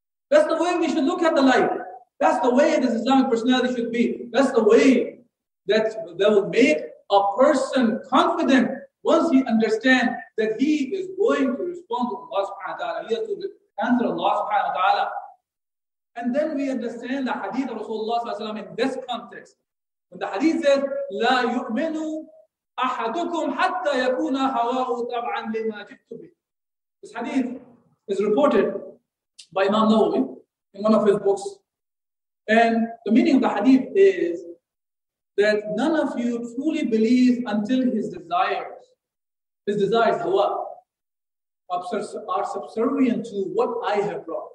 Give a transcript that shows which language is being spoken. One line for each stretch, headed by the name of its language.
English: That's the way we should look at the life. That's the way this Islamic personality should be. That's the way that will make a person confident once he understands that he is going to respond to Allah subhanahu wa ta'ala. He has to answer Allah subhanahu wa ta'ala. And then we understand the hadith of Rasulullah sallallahu alayhi wa sallam in this context. When the hadith says,
Arabic: لَا يُؤْمِنُ أَحَدُكُمْ حَتَّى يَكُونَ هَوَاءُ طَبْعًا لِمَا جِئْتُ بِهِ.
English: This hadith is reported by Imam Nawawi in one of his books. And the meaning of the hadith is that none of you truly believes until his desires, hawa, are subservient to what I have brought.